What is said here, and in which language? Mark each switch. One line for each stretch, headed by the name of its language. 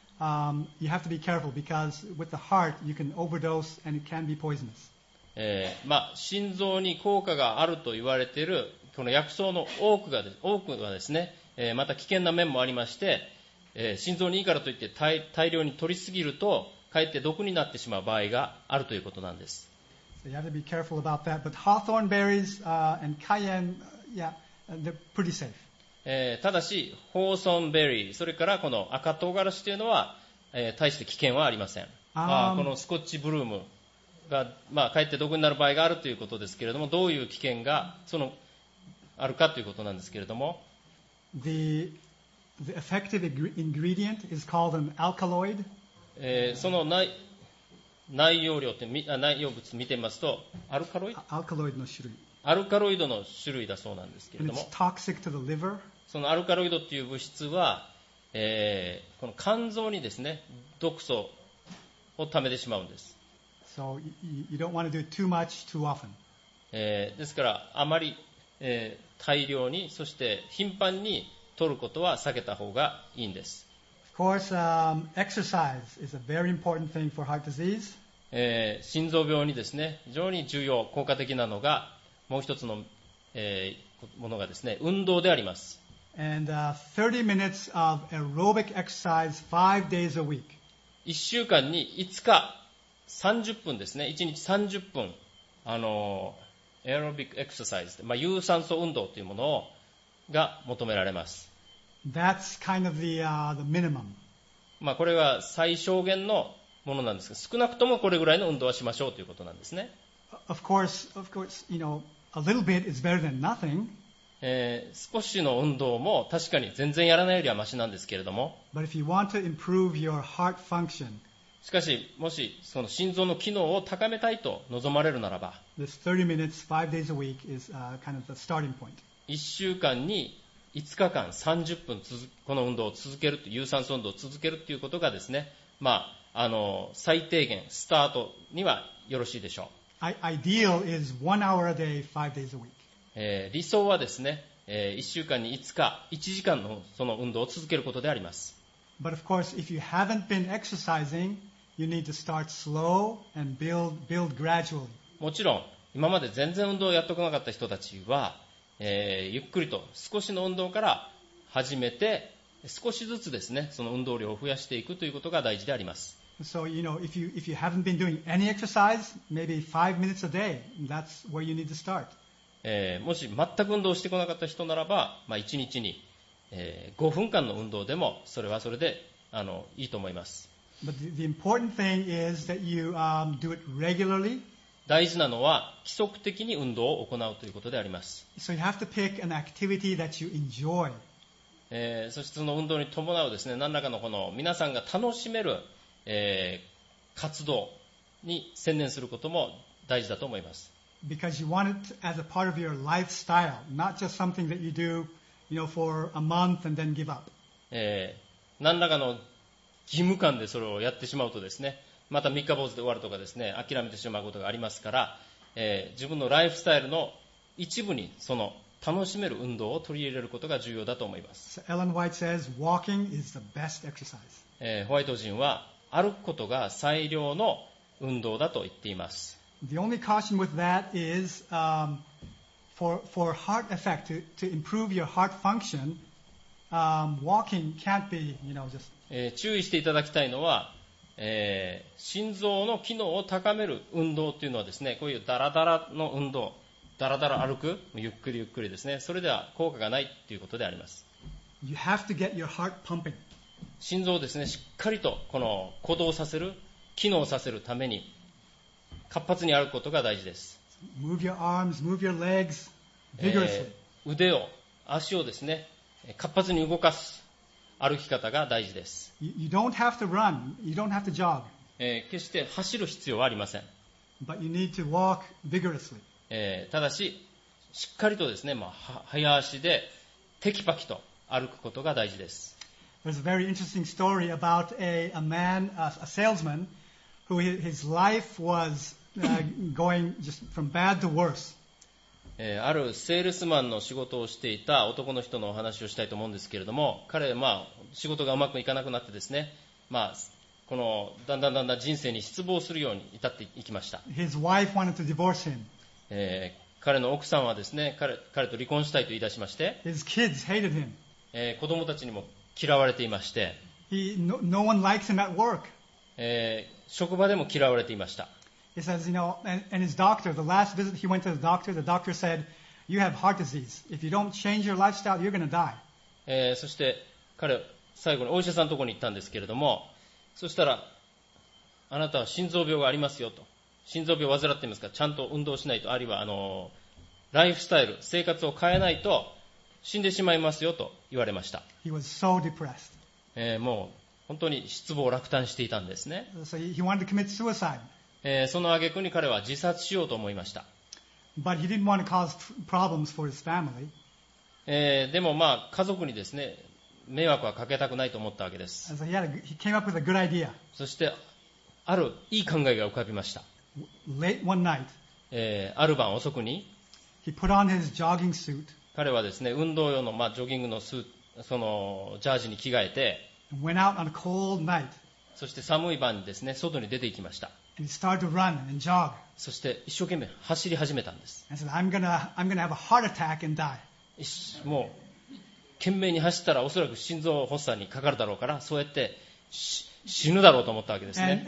English: You have to be careful because with the heart you can overdose and it can be poisonous.
Japanese: 心臓に効果があると言われているこの薬草の多くがですね、また危険な面もありまして、心臓にいいからといって 大量に取りすぎるとかえって毒になってしまう場合があるということなんです。
English: So you have to be careful about that. But hawthorn berries and cayenne, yeah, they're pretty safe.
Japanese: ただし、ホーソンベリー、それからこの赤唐辛子というのは、大して危険はありません。このスコッチブルームが、かえって毒になる場合があるということですけれども、どういう危険がそのあるかということなんですけれども、
English: The effective ingredient is called an alkaloid.
Japanese: その内容量って、内容物見てみますと、アルカロイド？アルカロイドの種類。アルカロイドの種類だそうなんですけれども、
English: And it's toxic to the liver.
Japanese: そのアルカロイドという物質は、この肝臓にですね、毒素をためてしまうんです。
English: So you don't want to do too much too often.
Japanese: ですから、あまり、大量に、そして頻繁に取ることは避けた方がいいんです。
English: Of course, exercise is a very important thing for heart disease.
Japanese: 心臓病にですね、非常に重要、効果的なのが、もう一つの、ものがですね、運動であります。
English: And 30 minutes of aerobic exercise 5 days a week.
Japanese: 1週間に5日30分ですね、1日30分、
English: aerobic exercise、
Japanese: 有酸素運動というものをが求められます。
English: That's kind of the minimum.
Japanese: これは最小限のものなんですが、少なくともこれぐらいの運動はしましょうということなんですね。
English: Of course, you know,A little bit is better than nothing.
Japanese: 少しの運動も確かに全然やらないよりはマシなんですけれども。
English: But if you want to improve your heart function,
Japanese: しかしもしその心臓の機能を高めたいと望まれるならば、
English: this 30 minutes, 5 days a week is kind of the starting point.
Japanese: 1週間に5日間30分この運動を続けると、有酸素運動を続けるということがですね、最低限スタートにはよろしいでしょう。
English: Ideal is 1 hour a day, 5 days a week.
Japanese: 理想はですね、1週間に5日、1時間のその運動を続けることであります。
English: But of course, if you haven't been exercising, you need to start slow and build gradually.
Japanese: もちろん、今まで全然運動をやっとこなかった人たちは、ゆっくりと少しの運動から始めて、少しずつですね、その運動量を増やしていくということが大事であります。
English: So, you know, if you haven't been doing any exercise, maybe 5 minutes a day, that's where you need to start.
Japanese: もし全く運動してこなかった人ならば、1日に、5分間の運動でも、それはそれで、いいと思います。
English: But the important thing is that you, do it regularly.
Japanese: 大事なのは、規則的に運動を行うということであります。
English: So you have to pick an activity that you enjoy.
Japanese: そしてその運動に伴うですね、何らかのこの皆さんが楽しめる活動に専念することも大事だと思います。
English: Because you want it as a part of your lifestyle, not just something that you do, you know, for a month and then give up.
Japanese: 何らかの義務感でそれをやってしまうとですね、また三日坊主で終わるとかですね、諦めてしまうことがありますから、自分のライフスタイルの一部にその楽しめる運動を取り入れることが重要だと思います。
English: So Ellen White says, walking is the best exercise.
Japanese: ホワイト人は歩くことが最良の運動だと言っています。
English: The only caution with that is, for heart effect, to improve your heart function, walking can't be, you know, just...
Japanese: 注意していただきたいのは、心臓の機能を高める運動というのはですね、こういうダラダラの運動、ダラダラ歩く、ゆっくりですね、それでは効果がないということであります。
English: You have to get your heart pumping.
Japanese: 心臓をですね、しっかりとこの鼓動させる、機能させるために活発に歩くことが大事です。
English: Move your arms, move your legs vigorously.
Japanese: 腕を足をですね、活発に動かす歩き方が大事です。
English: You don't have to run. You don't have to jog.
Japanese: 決して走る必要はありません。
English: But you need to walk vigorously.
Japanese: ただし、しっかりとですね、まあ、早足でテキパキと歩くことが大事です。
English: There's a very interesting story about a man, a salesman, who his life was going just from bad to worse.
Japanese: あるセールスマンの仕事をしていた男の人のお話をしたいと思うんですけれども、彼はまあ仕事がうまくいかなくなってですね、まあこのだんだんだんだん人生に失望するように至っていきました。
English: His wife wanted to divorce him.
Japanese: 彼の奥さんはですね、彼と離婚したいと言い出しまして、
English: His kids hated him.
Japanese: 子供たちにも嫌われていまして、
English: no one likes him at work.
Japanese: 職場でも嫌われていました。
English: He says, you know, and his doctor, the last visit he went to the doctor said, you have heart disease. If you don't change your lifestyle, you're going to die.
Japanese: そして彼最後にお医者さんのところに行ったんですけれども、そしたらあなたは心臓病がありますよと、心臓病を患っていますから、ちゃんと運動しないと、あるいはライフスタイル、生活を変えないと死んでしまいますよと言われました。
English: He was so depressed.
Japanese: もう本当に失望落胆していたんですね。
English: So he wanted to commit suicide.
Japanese: その挙句に彼は自殺しようと思いました。
English: But he didn't want to cause problems for his family.
Japanese: でもまあ家族にですね、迷惑はかけたくないと思ったわけです。
English: So he came up with a good idea.
Japanese: そしてあるいい考えが浮かびました。
English: Late one night,
Japanese: ある晩遅くに、
English: he put on his jogging suit.
Japanese: 彼はですね、運動用の、まあ、ジョギングのそのジャージに着替えて、
English: and went out on a cold night.
Japanese: そして寒い晩にですね、外に出て行きました。
English: He started to run and jog.
Japanese: そして一生懸命走り始めたんです。
English: And said, I'm gonna have a heart attack and die.
Japanese: もう懸命に走ったらおそらく心臓発作にかかるだろうから、そうやって死ぬだろうと思ったわけですね。